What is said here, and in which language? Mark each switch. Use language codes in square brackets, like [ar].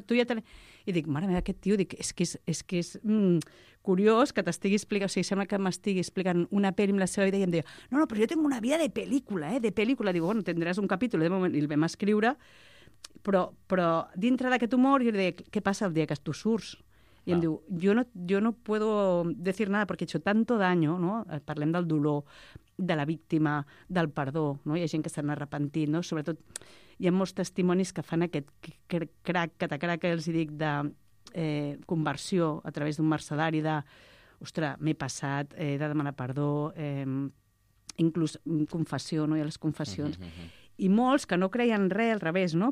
[ca] I dic, mare meva, aquest tio, dic, és que és curiós que t'estigui explicant, o sigui, sembla que m'estigui explicant una peli amb la seva vida, i em deia, no, però jo tinc una vida de pel·lícula, de pel·lícula. Digo, bueno, tindràs un capítol, de moment, i el vam escriure, però dintre d'aquest humor jo li deia, què passa el dia que tu surts? I em diu, jo [es] no puedo decir nada porque he hecho tanto daño, no? [ca] Parlem del dolor, de la víctima, del perdó, no? Hi ha gent que s'han arrepentit, no? Sobretot hi ha molts testimonis que fan aquest crac, catacrac, els dic, de conversió a través d'un mercedari de, ostres, m'he passat, he de demanar perdó, inclús confessió, no? Hi ha les confessions. I molts que no creien res, al revés, no?